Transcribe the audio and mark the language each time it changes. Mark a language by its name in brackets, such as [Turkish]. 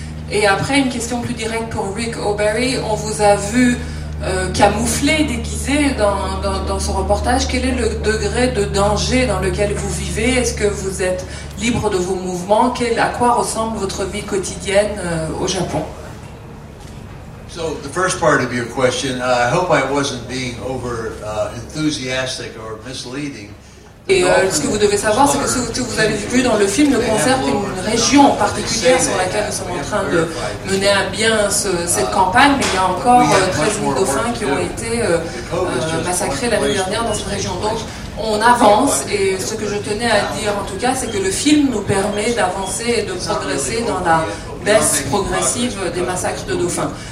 [French] Et après, une question plus directe pour Rick O'Berry. On vous a vu camouflé, déguisé dans ce reportage. Quel est le degré de danger dans lequel vous vivez? Est-ce que vous êtes libre de vos mouvements? À quoi ressemble votre vie quotidienne au Japon? [English] So the first part of your question, I hope I wasn't being over enthusiastic or misleading. [French] Et ce que vous devez savoir, c'est que ce que vous avez vu dans le film ne concerne qu'une région particulière sur laquelle nous sommes en train de mener à bien cette campagne, mais il y a encore 13 000 dauphins qui ont été massacrés l'année dernière dans cette région. Donc on avance, et ce que je tenais à dire en tout cas, c'est que le film nous permet d'avancer et de progresser dans la baisse progressive des massacres de dauphins.